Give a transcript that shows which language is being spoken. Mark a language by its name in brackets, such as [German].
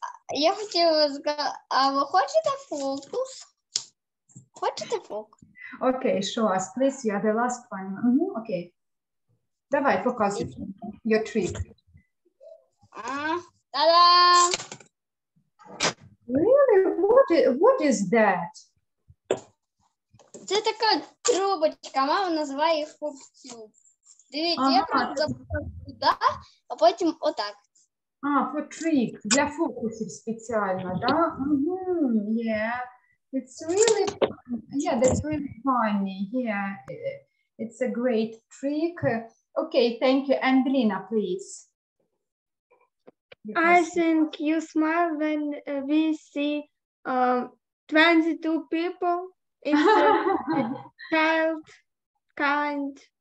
[Ukrainian] Я хотіла сказати, а ви хочете фокус? Хочете фокус? [English] Окей, show us, please, you are the last one. [Ukrainian] Окей. Давай, показуй [English] your trick. [Ukrainian] Та-да! [English] Really? What is that? [Ukrainian] Це така трубочка, мама називає їх фокус. Дивіться, я просто туди, а потім отак. А, [English] for trick, [Ukrainian] для фокусів спеціально, да? [English] Mm-hmm, yeah, it's really, yeah, that's really funny, yeah, it's a great trick. Okay, thank you, and Ліна, please. I think you smile when we see 22 people, it's a child, kind.